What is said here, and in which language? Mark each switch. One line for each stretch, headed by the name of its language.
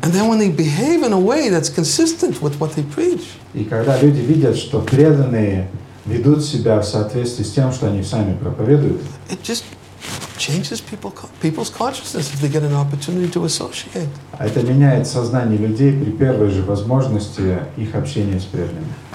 English: and then when they behave in a way that's consistent with what they preach,
Russian: и когда люди видят, что преданные ведут себя в соответствии с тем, что они сами проповедуют,
English: it just changes people's consciousness if they get an opportunity to associate.
Russian: Это меняет сознание людей при первой же возможности их общения с преданными.